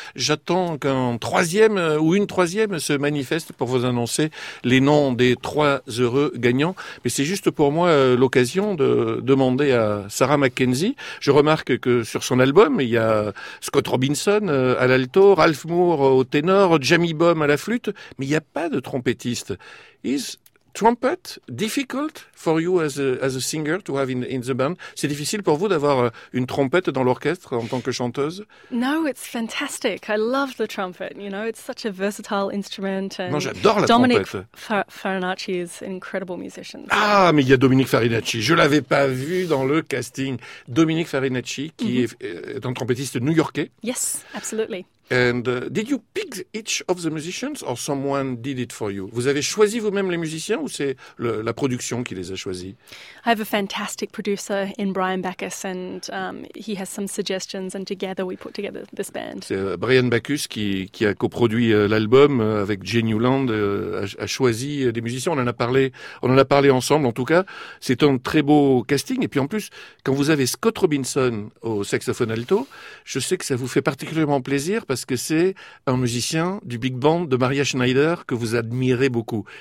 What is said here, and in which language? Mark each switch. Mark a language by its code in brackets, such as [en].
[fr] J'attends qu'un troisième ou une troisième se manifeste pour vous annoncer les noms des trois heureux gagnants. Mais c'est juste pour moi l'occasion de demander à Sarah McKenzie. Je remarque que sur son album, il y a Scott Robinson à l'alto, Ralph Moore au ténor, Jamie Baum à la flûte, mais il n'y a pas de trompettiste. [en] Is trumpet difficult for you as a singer to have in the band? [fr] C'est difficile pour vous d'avoir une trompette dans l'orchestre en tant que chanteuse? [en] No, it's fantastic. I love the trumpet. You know, it's such a versatile instrument. [fr] And non, j'adore la Dominic trompette. [en] Farinacci is an incredible musician. [fr] Ah, mais il y a Dominic Farinacci. Je ne l'avais pas vu dans le casting. Dominic Farinacci, qui est un trompettiste new-yorkais. [en] Yes, absolutely. And did you pick each of the musicians or someone did it for you? [fr] Vous avez choisi vous-même les musiciens ou c'est la production qui les a choisis? [en] I have a fantastic producer in Brian Backus and he has some suggestions and together we put together this band. [fr] C'est Brian Backus qui a coproduit l'album avec Jay Newland, a choisi des musiciens. On en a parlé ensemble en tout cas. C'est un très beau casting et puis en plus, quand vous avez Scott Robinson au saxophone alto, je sais que ça vous fait particulièrement plaisir parce que c'est un musicien du big band de Maria Schneider que vous admirez beaucoup.